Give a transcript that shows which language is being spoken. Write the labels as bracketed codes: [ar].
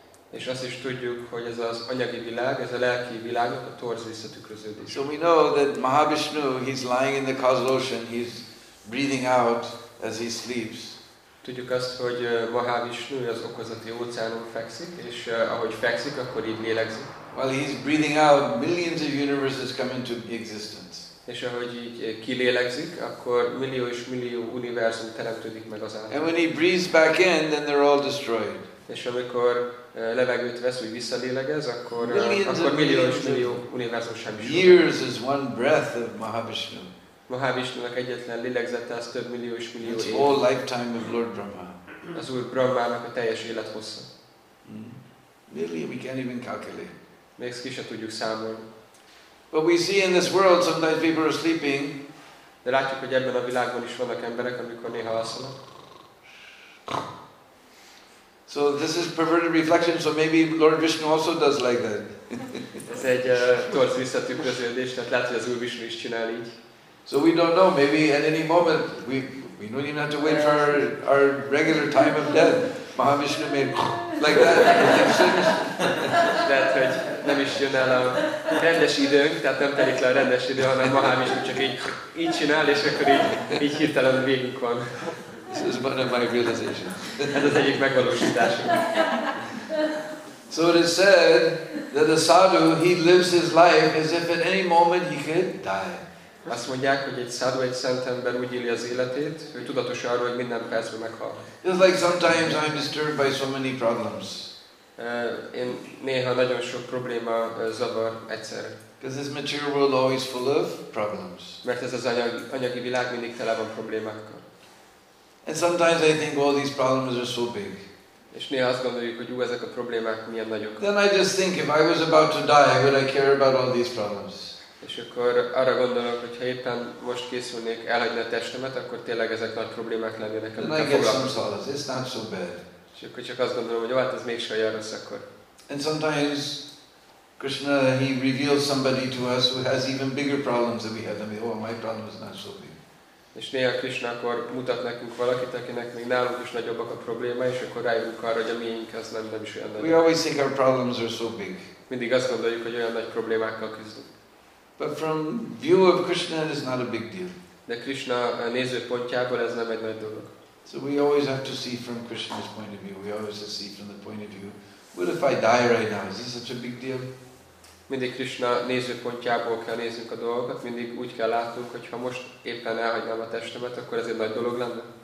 [hu] És azt is tudjuk, hogy ez az anyagi világ, ez a lelki világ, a torz visszatükröződés. [en] So we know that Mahavishnu, he's lying in the causal ocean, he's breathing out as he sleeps. [hu] Tudjuk azt, hogy Mahavishnu az okozati óceánon fekszik, és ahogy fekszik, akkor így lélegzik. [en] While he's breathing out, millions of universes come into existence. [hu] És ahogy így kilélegzik, akkor millió és millió univerzum teremtődik meg az által. [en] And when he breathes back in, then they're all destroyed. [hu] És amikor levegőt vesz, hogy visszalélegez, akkor millió és millió univerzum sem is. [en] Years is one breath of Mahavishnu. [hu] Mahavishnunak egyetlen lélegzete az több millió és millió év. [en] It's all lifetime of Lord Brahma. [hu] Az Úr Brahmának a teljes élethossza. [en] Really, we can't even calculate. [hu] Még ki sem tudjuk számolni. [en] But we see in this world sometimes people are sleeping. [hu] De látjuk, hogy ebben a világban is vannak emberek, amikor néha alszanak. [en] So this is perverted reflection, so maybe Lord Vishnu also does like that. [hu] Ez egy torz visszatükröződés, tehát lehet, hogy az Úr Vishnu is csinál így. [en] So we don't know, maybe at any moment we don't even have to wait for our regular time of death. Mahavishnu may like that. [hu] Lehet, hogy nem is jön el a rendes időnk, tehát nem telik le a rendes idő, hanem Mahavishnu csak így csinál, és akkor így hirtelen végünk van. [en] This is one of my realizations. [hu] Ez az egyik megvalósításom. [en] So it is said that a sadhu, he lives his life as if at any moment he could die. [hu] Azt mondják, hogy egy sadhu, egy szent ember úgy éli az életét, ő tudatos arról, hogy minden percben meghal. [en] It's like sometimes I'm disturbed by so many problems. [hu] Én néha nagyon sok probléma zavar egyszerre. [en] Because this material world is always full of problems. [hu] Mert ez az anyagi világ mindig tele van problémákkal. [en] And sometimes I think all these problems are so big. [hu] És néha azt gondoljuk, hogy ezek a problémák milyen nagyok. [en] Then I just think, if I was about to die, would I care about all these problems? [hu] És akkor arra gondolok, hogy ha éppen most készülnék elhagyni a testemet, akkor tényleg ezek nagy problémák lennének. [en] Then I get some solace. It's not so bad. [hu] És akkor csak azt gondolom, hogy hát ez mégsem olyan rossz akkor. [en] And sometimes Krishna, he reveals somebody to us who has even bigger problems than we have. I mean, oh, my problem is not so big. [hu] És néha Krishna akkor mutat nekünk valakit, akinek még nálunk is nagyobbak a probléma, és akkor rájövünk arra, hogy a miénk az nem is olyan nagy. [en] We always think our problems are so big. [hu] Mindig azt gondoljuk, hogy olyan nagy problémákkal küzdünk. [en] But from view of Krishna, it is not a big deal. [hu] De Krishna nézőpontjából ez nem egy nagy dolog. [en] So we always have to see from Krishna's point of view. We always have to see from the point of view. What if I die right now? Is this such a big deal? [hu] Mindig Krishna nézőpontjából kell néznünk a dolgokat. Mindig úgy kell látnunk, hogy ha most éppen elhagynám a testemet, akkor ez egy nagy dolog lenne.